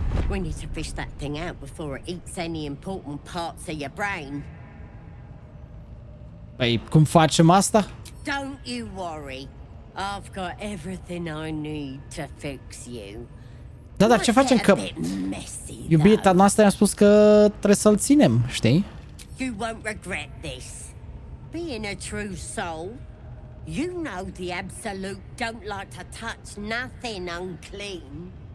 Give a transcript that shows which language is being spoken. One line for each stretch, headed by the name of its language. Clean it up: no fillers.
English: We need to fish that thing out before it eats any important parts of your brain.
Romanian: Păi, cum facem asta?
English: Don't you worry. I've got everything I need to fix you.
Romanian: Da, dar ce facem că... Iubita noastră i-a spus că trebuie să-l ținem, știi?
English: You won't regret this. Being a true soul, you know the absolute don't like to touch nothing unclean.